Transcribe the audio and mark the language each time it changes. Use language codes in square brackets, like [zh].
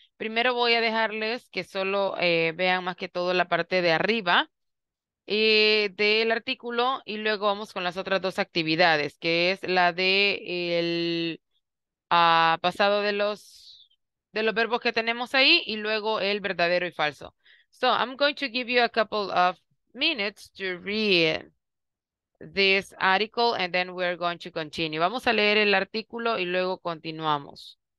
[es] Primero voy a dejarles que solo vean más que todo la parte de arriba del artículo, y luego vamos con las otras dos actividades, que es la de el pasado de los verbos que tenemos ahí, y luego el verdadero y falso. [en] So I'm going to give you a couple of minutes to read this article, and then we're going to continue. [es] Vamos a leer el artículo y luego continuamos.